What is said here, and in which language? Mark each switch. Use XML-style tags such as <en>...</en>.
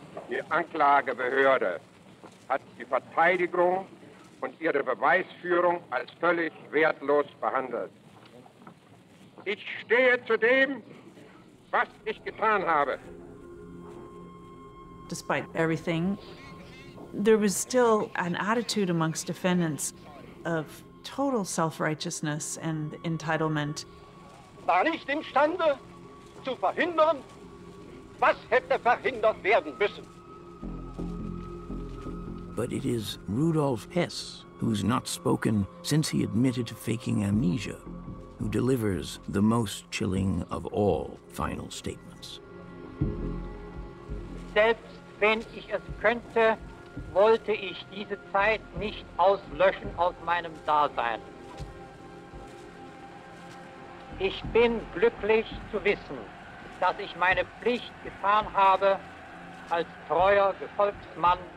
<de>Die Anklagebehörde hat die Verteidigung und ihre Beweisführung als völlig wertlos behandelt. Ich stehe zu dem, was ich getan habe.</de> <en>Despite everything, there was still an attitude amongst defendants of total self-righteousness and entitlement.</en> <de>War nicht imstande zu verhindern, was hätte verhindert werden müssen.</de> <en>But it is Rudolf Hess, who's not spoken since he admitted to faking amnesia, who delivers the most chilling of all final statements.</en> <de>Selbst wenn ich es könnte, wollte ich diese Zeit nicht auslöschen aus meinem Dasein. Ich bin glücklich zu wissen, dass ich meine Pflicht getan habe als treuer Gefolgsmann</de>